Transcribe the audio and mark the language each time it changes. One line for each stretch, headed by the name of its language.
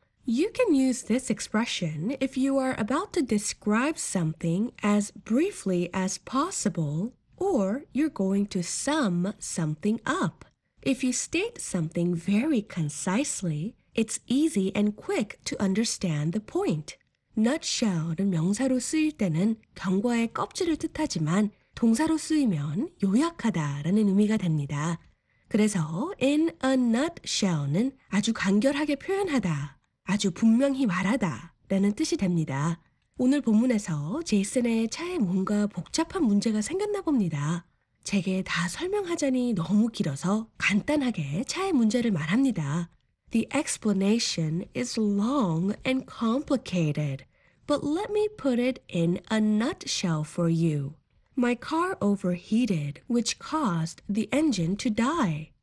English: You can use this expression if you are about to describe something as briefly as possible, or you're going to sum something up. If you state something very concisely, it's easy and quick to understand the point.
Korean: Nutshell은 명사로 쓰일 때는 경과의 껍질을 뜻하지만 동사로 쓰이면 요약하다라는 의미가 됩니다. 그래서 in a nutshell는 아주 간결하게 표현하다, 아주 분명히 말하다 라는 뜻이 됩니다. 오늘 본문에서 제이슨의 차에 뭔가 복잡한 문제가 생겼나 봅니다. 제게 다 설명하자니 너무 길어서 간단하게 차의 문제를 말합니다.
English: The explanation is long and complicated, but let me put it in a nutshell for you. My car overheated, which caused the engine to die.